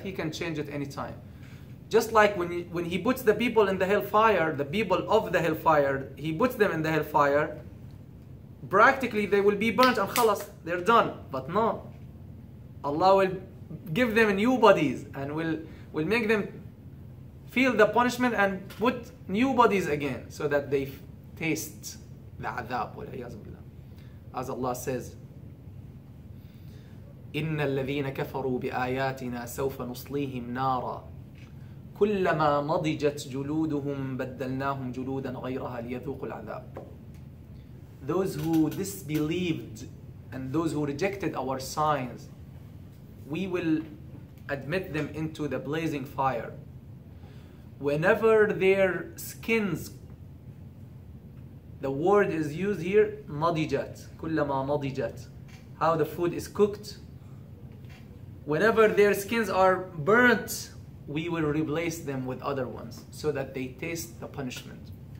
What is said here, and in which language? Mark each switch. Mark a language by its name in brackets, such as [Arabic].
[English] He can change it anytime. Just like when he puts the people in the hellfire, the people of the hellfire, He puts them in the hellfire, practically they will be burnt and khalas, they're done. But no, Allah will give them new bodies and will make them feel the punishment and put new bodies again so that they taste the adab, walayyazu billah. [Arabic] As Allah says, إِنَّ الَّذِينَ كَفَرُوا بِآيَاتِنَا سَوْفَ نُصْلِيهِمْ نَارًا كُلَّمَا نَضِجَتْ جُلُودُهُمْ بَدَّلْنَاهُمْ جُلُودًا غَيْرَهَا لِيَذُوقُوا الْعَذَابِ. [English] Those who disbelieved and those who rejected our signs, we will admit them into the blazing fire. Whenever their skins, the word is used here, نَضِجَتْ كُلَّمَا نَضِجَتْ, how the food is cooked, whenever their skins are burnt, we will replace them with other ones so that they taste the punishment.